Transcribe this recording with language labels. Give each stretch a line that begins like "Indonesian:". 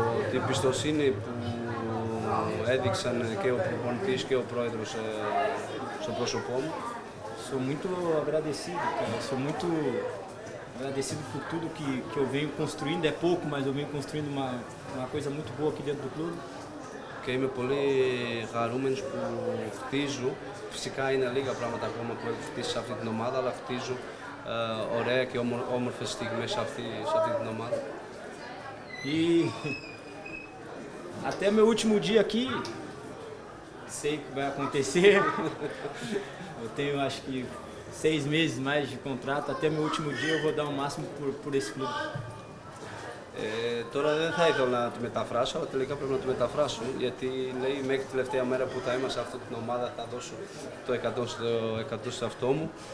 Greek: Την εμπιστοσύνη που έδειξαν και ο προπονητής και ο πρόεδρος στο πρόσωπό μου.
Portuguese: Sou muito agradecido, cara. Sou muito agradecido por tudo que eu venho construindo. É pouco, mas eu venho construindo uma coisa muito boa aqui dentro do clube.
Greek: Και είμαι πολύ χαρούμενος που χτίζω. Φυσικά είναι λίγα πράγματα ακόμα που έχω χτίσει σε αυτή την ομάδα, αλλά χτίζω ωραία και όμορφες στιγμές σε αυτή την ομάδα.
Portuguese: E até meu último dia aqui, sei que vai acontecer. Eu tenho acho que 6 meses mais de contrato. Até meu último dia eu vou dar o máximo por esse clube.
Greek: Τώρα δεν θα ήθελα να το μεταφράσω, αλλά τελικά πρέπει να το μεταφράσω, γιατί λέει μέχρι τελευταία μέρα που θα είμαι σε αυτή την ομάδα θα δώσω το 100% σε αυτό μου.